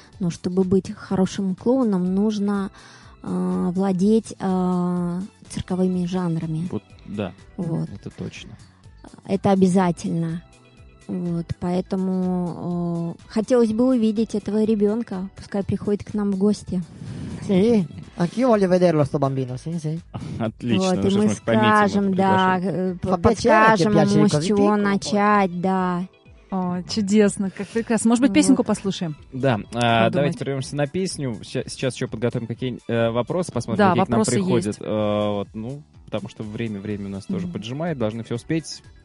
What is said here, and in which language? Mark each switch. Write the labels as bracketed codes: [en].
[ru] Но чтобы быть хорошим клоуном, нужно владеть цирковыми жанрами. Вот, да, вот. Это точно. Это обязательно. Вот, поэтому хотелось бы увидеть этого ребенка, пускай приходит к нам в гости. [it] Sì. Anch'io voglio vederlo sto bambino, sì, sì. [ru] Отлично. Вот, и мы скажем, да, подскажем ему, с чего начать, да. О, чудесно, как прекрасно. Может быть, песенку послушаем? Да, давайте прервемся на песню. Сейчас еще подготовим какие-нибудь вопросы, посмотрим, какие к нам приходят. Вот, ну, потому что время у нас тоже поджимает, должны все успеть.